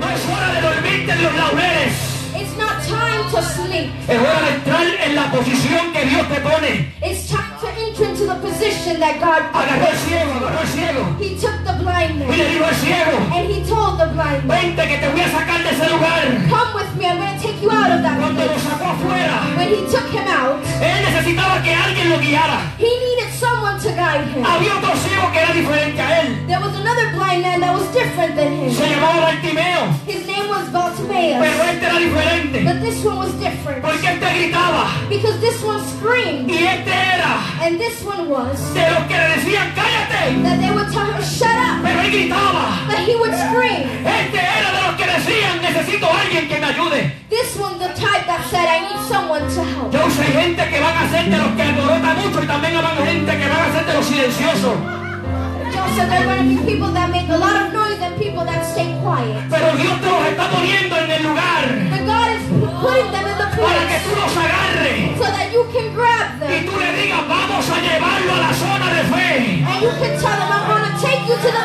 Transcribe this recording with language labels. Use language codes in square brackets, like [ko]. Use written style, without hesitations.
[es] No es hora de dormirte en los laureles. Es hora de entrar en la posición que Dios te pone. [en] It's time to enter into the position that God [es] put. Agarró el ciego, agarró el ciego. [en] He took the blind man. [es] Y le dijo al ciego. [en] And he told the blind man. [es] Vente que te voy a sacar de ese lugar. [en] Come with me, I'm going to take you out of that [es] cuando [en] place. [es] Cuando lo sacó afuera. [en] When he took him out. [es] Él necesitaba que alguien lo guiara. [en] He needed someone to guide him. [es] Había otro ciego que era diferente a él. [en] There was another blind man that was different than him. [es] Se llamaba Bartimeo. [en] His name was Bartimaeus. [es] Pero este era diferente. [en] But this one was different. [es] Porque este gritaba. [en] Because this one screamed. [es] Y este era. [en] And this one was. [es] De los que le decían cállate. [en] That they would tell him shut up. [es] Pero él gritaba. [en] But he would scream. [es] Este era de los que decían necesito alguien que me ayude. [en] This one the type that said I need someone to help. [es] Yo sé gente que van a ser de los que alborotan mucho y también van gente que van a ser de los silenciosos. [en] So there are going to be people that make a lot of noise and people that stay quiet. [es] Pero Dios te los está poniendo en el lugar. [en] But God is putting them in the place. [es] Para que tú los agarres. [en] So that you can grab them. [es] Y tú le digas, vamos a llevarlo a la zona de fe. [en] And you can tell them, I'm going to take you to the